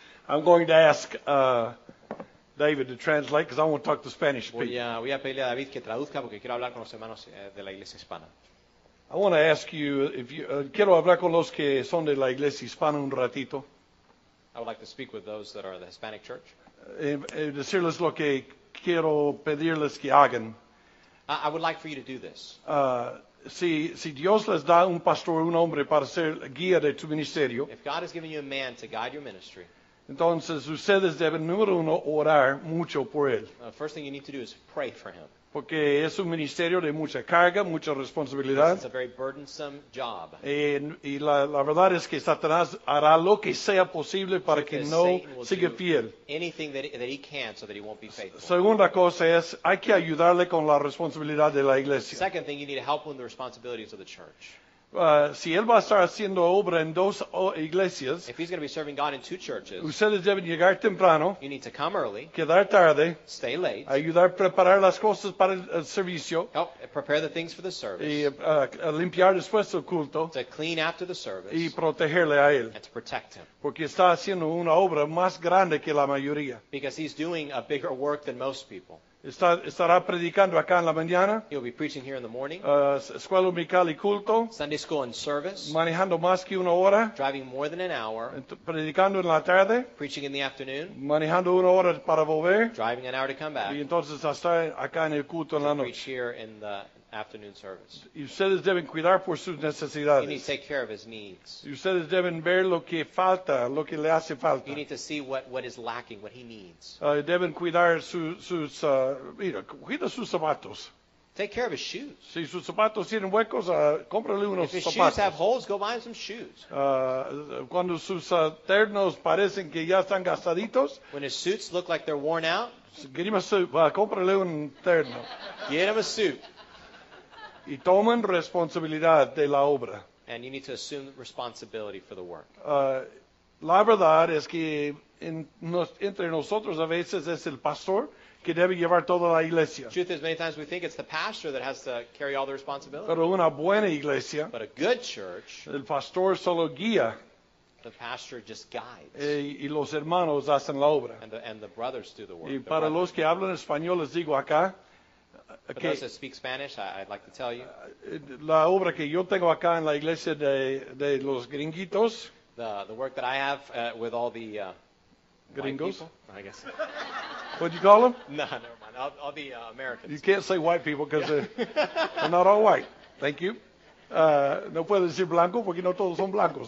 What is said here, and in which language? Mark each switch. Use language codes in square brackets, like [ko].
[en] I'm going to ask David to translate because I want to talk to Spanish people. [es] Voy a pedirle a David que traduzca porque quiero hablar con los hermanos de la iglesia hispana. [en] I want to ask you if you [es] quiero hablar con los que son de la iglesia hispana un ratito. [en] I would like to speak with those that are the Hispanic church. [es] Decirles lo que quiero pedirles que hagan. [en] I would like for you to do this. [es] Si Dios les da un pastor, un hombre para ser guía de tu ministerio. [en] If God has given you a man to guide your ministry. [es] Entonces ustedes deben número uno orar mucho por él. [en] First thing you need to do is pray for him. [es] Porque es un ministerio de mucha carga, mucha responsabilidad. [en] It's a very burdensome job. [es] Y la verdad es que Satanás hará lo que sea posible para que no siga fiel. [en] Anything that he can so that he won't be faithful. [es] Segunda cosa es, hay que ayudarle con la responsabilidad de la iglesia. [en] Second thing, you need to help him with the responsibilities of the church. [es] Si él va a estar haciendo obra en dos iglesias, [en] if he's going to be serving God in two churches, [es] ustedes deben llegar temprano, [en] you need to come early, [es] quedar tarde, [en] stay late, [es] ayudar a preparar las cosas para el servicio, [en] help prepare the things for the service, [es] y limpiar después el culto, [en] to clean after the service, [es] y protegerle a él, [en] and to protect him. [es] Porque está haciendo una obra más grande que la mayoría. [en] Because he's doing a bigger work than most people. [es] Estará predicando acá en la mañana. [en] He'll be preaching here in the morning. [es] Escuela dominical y culto. [en] Sunday school and service. [es] Manejando más que una hora. [en] Driving more than an hour. [es] Predicando en la tarde. [en] Preaching in the afternoon. [es] Manejando una hora para volver. [en] Driving an hour to come back. [es] Y entonces estar acá en el culto en la noche. [en] Preach here in the afternoon service. [es] Y ustedes deben cuidar por sus necesidades. [en] You need to take care of his needs. [es] Y ustedes deben ver lo que falta, lo que le hace falta. [en] You need to see what is lacking, what he needs. [es] Deben cuidar sus mira, cuida sus zapatos. [en] Take care of his shoes. [es] Si sus zapatos tienen huecos, cómprale unos zapatos. [en] If his shoes have holes, go buy him some shoes. [es] Cuando sus ternos parecen que ya están gastaditos. [en] When his suits look like they're worn out. Get him a suit. [es] Cómprale un terno. [en] Get him a suit. [es] Y toman responsabilidad de la obra. [en] And you need to assume responsibility for the work. [es] La verdad es que entre nosotros a veces es el pastor que debe llevar toda la iglesia. [en] Truth is, many times we think it's the pastor that has to carry all the responsibility. [es] Pero una buena iglesia, [en] but a good church, [es] el pastor solo guía. [en] The pastor just guides. [es] Y los hermanos hacen la obra. [en] And the brothers do the work. [es] Y para [en] brothers. [es] Los que hablan español les digo acá. [en] For okay. Those that speak Spanish, I'd like to tell you. [es] La obra que yo tengo acá en la iglesia de los gringuitos. [en] The work that I have with all the gringos, white people, I guess. What'd you call them? No, never mind. All the Americans. You can't say white people because they're not all white. Thank you. [es] No puedo decir blanco porque no todos son blancos.